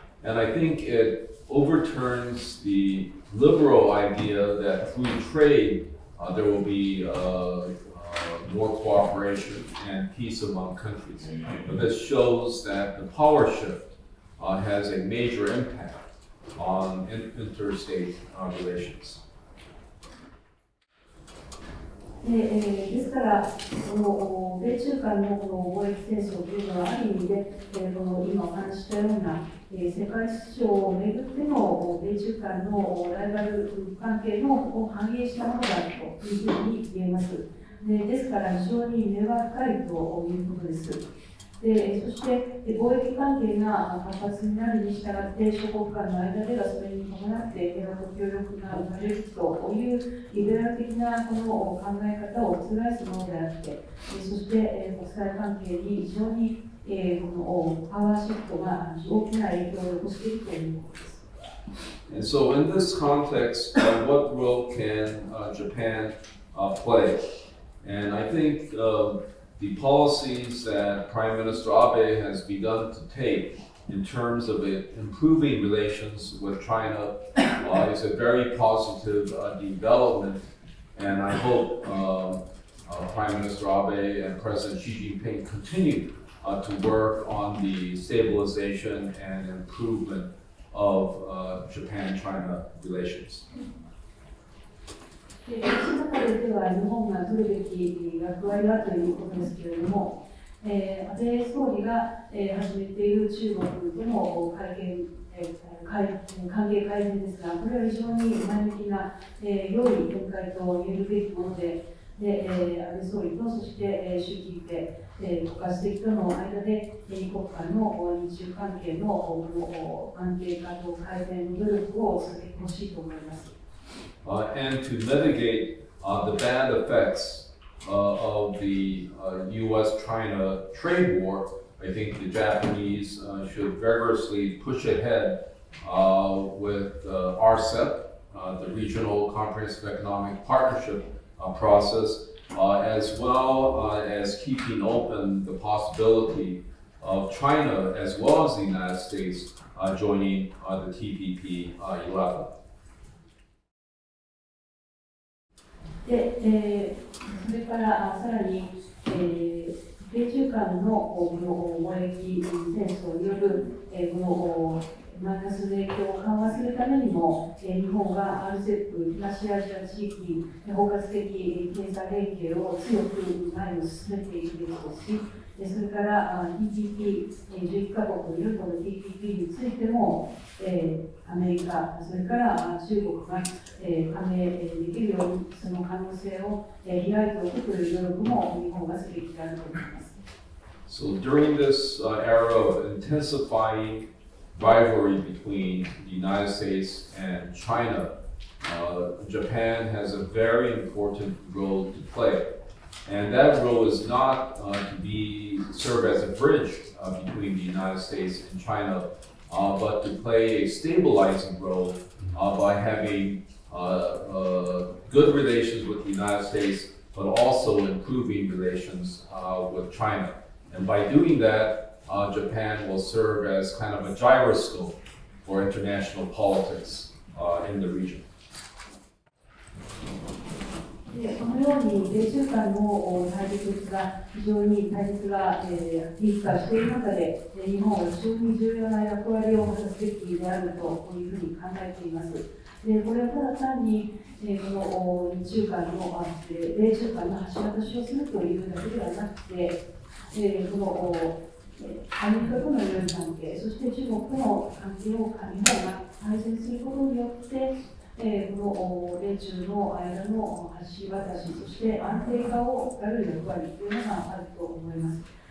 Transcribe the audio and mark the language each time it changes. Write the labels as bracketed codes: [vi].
[en] And I think it overturns the liberal idea that through trade there will be more cooperation and peace among countries. But this shows that the power shift has a major impact on interstate relations. [ja] ですから、この米中間のこの貿易戦争というのはある意味で、この今お話したような世界秩序をめぐっての米中間のライバル関係のを反映したものだというふうに言えます。で、ですから非常に根は深いということです。で、そして貿易関係が活発になるにしたがって諸国間の間ではそれに伴って平和と協力が生まれるというリベラル的なこの考え方を覆すものであって、そして国際関係に非常にこのパワーシフトが大きな影響を及ぼしているということです。 [en] And so in this context, what role can Japan play? And I think the policies that Prime Minister Abe has begun to take in terms of improving relations with China is a very positive development. And I hope Prime Minister Abe and President Xi Jinping continue to work on the stabilization and improvement of Japan-China relations. [ja] その中では日本が取るべき役割はということですけれども、安倍総理が始めている中国との関係改善ですが、これは非常に前向きな良い展開と言えるべきもので、で、安倍総理とそして習近平国家主席との間で二国間の日中関係の安定化と改善の努力を続けてほしいと思います。 [en] And to mitigate the bad effects of the U.S.-China trade war, I think the Japanese should vigorously push ahead with RCEP, the Regional Comprehensive Economic Partnership process, as well as keeping open the possibility of China as well as the United States joining the TPP 11. [ja] で、それからさらに、米中間のこの貿易戦争による、このマイナスの影響を緩和するためにも、日本が RCEP 東アジア地域に包括的経済連携を強く前に進めているでしょうし、それから TPP11 カ国によるこの TPP についても、アメリカそれから中国が、加盟できるようにその可能性を、開いておくという努力も日本がすべきであると思います。 [en] So during this era of intensifying rivalry between the United States and China, Japan has a very important role to play. And that role is not to be serve as a bridge between the United States and China, but to play a stabilizing role by having good relations with the United States, but also improving relations with China. And by doing that, Japan will serve as kind of a gyroscope for international politics in the region. [ja] このように米中間の対立が非常に対立が激化している中で、日本は非常に重要な役割を果たすべきであるというふうに考えています。でこれはただ単に、この米中間の橋渡しをするというだけではなくて、このアメリカとの良い関係、そして中国との関係を日本が改善することによって、この米中の間の橋渡し、そして安定化を図る役割というのがあると思います。